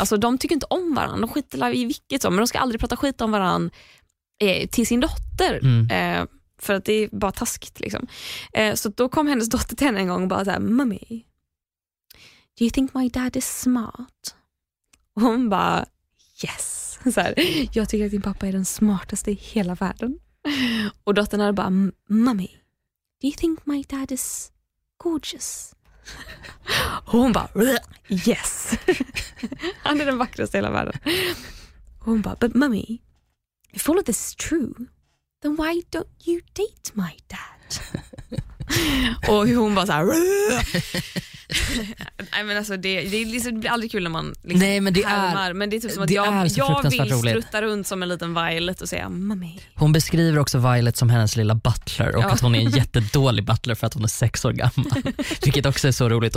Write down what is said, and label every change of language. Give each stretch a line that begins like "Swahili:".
Swedish: Alltså de tycker inte om varandra, de skiter i vilket som, men de ska aldrig prata skit om varandra till sin dotter. För att det är bara taskigt liksom. Så då kom hennes dotter till henne en gång och bara såhär,
English: mommy, do you think my dad is smart?
Swedish: Och hon bara, yes. Så här, jag tycker att din pappa är den smartaste i hela världen. Och dottern hade bara,
English: mommy, do you think my dad is gorgeous?
Swedish: Och hon bara, yes. Han är den vackraste i hela världen. Och hon bara,
English: but mommy, if all of this is true, then why don't you date my dad?
Swedish: Och hon bara så här. Nej, men alltså det, liksom, det blir aldrig kul när man liksom, nej, men det härmar, är, men det är typ som att jag vill roligt strutta runt som en liten Violet och säga mami. Hon beskriver också Violet som hennes lilla butler och ja, att hon är en jättedålig butler för att hon är 6 år gammal, vilket också är så roligt.